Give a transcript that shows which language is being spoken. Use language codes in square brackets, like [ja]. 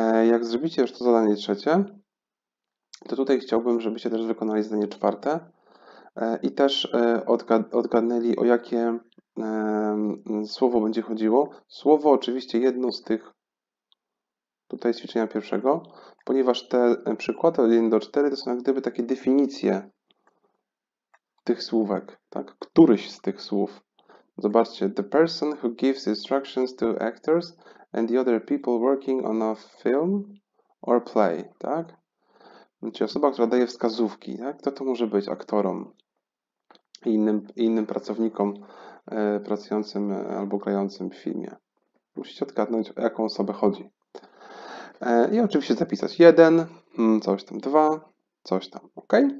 [pl] Jak zrobicie już to zadanie trzecie, to tutaj chciałbym, żebyście też wykonali zadanie czwarte i też odgadnęli, o jakie słowo będzie chodziło. Słowo oczywiście jedno z tych tutaj ćwiczenia pierwszego, ponieważ te przykłady od 1 do 4 to są jak gdyby takie definicje tych słówek, tak? Któryś z tych słów. Zobaczcie, [en] the person who gives instructions to actors and the other people working on a film or play, [pl] tak? Czyli osoba, która daje wskazówki, tak? Kto to może być aktorom i innym pracownikom pracującym albo grającym w filmie? Musicie odgadnąć, o jaką osobę chodzi. I oczywiście zapisać jeden, coś tam, dwa, coś tam, ok?